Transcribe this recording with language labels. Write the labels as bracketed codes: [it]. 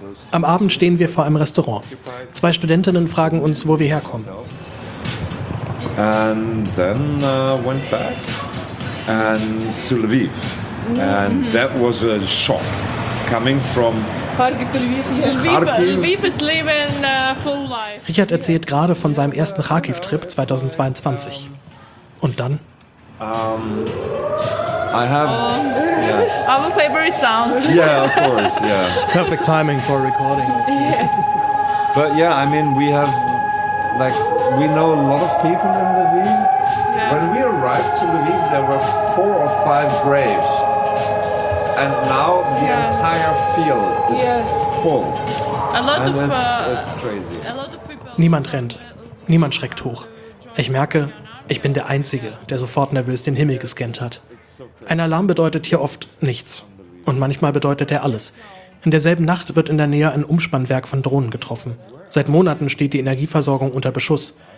[de] Am Abend stehen wir vor einem Restaurant. Zwei Studentinnen fragen uns, wo wir herkommen. [en] And then went back and to Lviv. And that was a shock coming from Kharkiv to Lviv. Lviv is living full life. [de] Richard erzählt gerade von seinem ersten Kharkiv-Trip 2022. Und dann? [en] I have our favorite sounds. Yeah, of course, yeah. Perfect timing for recording. Yeah. But yeah, I mean, we have, like, we know a lot of people in Lviv. Yeah. When we arrived to Lviv, there were 4 or 5 graves. And now the entire field is full. A lot and of, it's crazy. A lot of people. [de] Niemand rennt. Niemand schreckt hoch. Ich merke, ich bin der Einzige, der sofort nervös den Himmel gescannt hat. Ein Alarm bedeutet hier oft nichts. Und manchmal bedeutet er alles. In derselben Nacht wird in der Nähe ein Umspannwerk von Drohnen getroffen. Seit Monaten steht die Energieversorgung unter Beschuss.